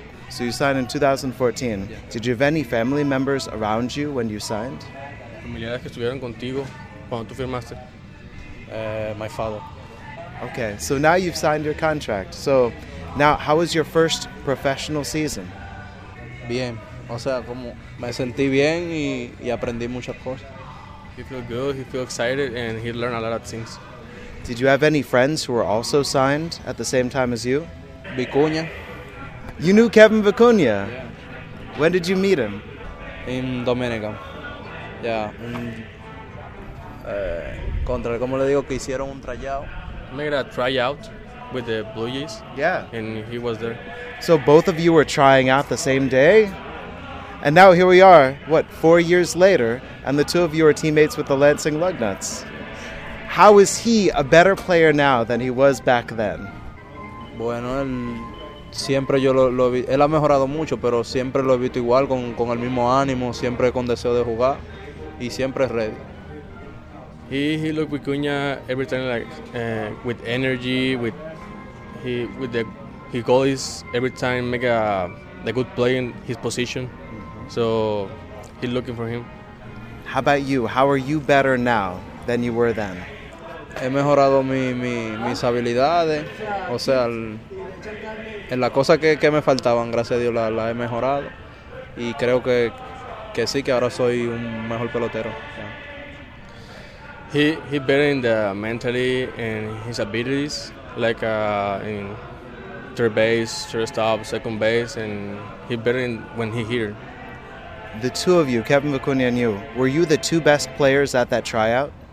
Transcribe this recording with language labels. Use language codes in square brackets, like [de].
[en] So you signed in 2014. Yeah. Did you have any family members around you when you signed? [es] Familiares que estuvieron contigo cuando tú firmaste. [en] My father. Okay, so now you've signed your contract. So now, how was your first professional season? [es] Bien. O sea, como me sentí bien y aprendí muchas cosas. [en] He feel good, he feel excited, and he learned a lot of things. Did you have any friends who were also signed at the same time as you? Vicuña. You knew Kevin Vicuña? Yeah. When did you meet him? In Dominican. Yeah. [es] Contra, como le digo, que hicieron un tryout. [en] Made a tryout with the Blue Jays. Yeah. And he was there. So both of you were trying out the same day? And now here we are, what, 4 years later, and the two of you are teammates with the Lansing Lugnuts. How is he a better player now than he was back then? [es] Bueno, él siempre yo lo vi, él ha mejorado mucho, pero siempre lo he visto igual, con el mismo ánimo, siempre con deseo de jugar, y siempre ready. [en] He looked Vicuña every time, like, with energy, he goes every time, make a good play in his position. So he's looking for him. How about you? How are you better now than you were then? [es] He mejorado mis habilidades. O sea, en las cosas que me faltaban, gracias a Dios, las he mejorado. Y creo que sí, que ahora soy un mejor pelotero. [en] He better in the mentally and his abilities, like in third base, shortstop, second base, and he better in when he here. The two of you, Kevin Vicuña and you, were you the two best players at that tryout?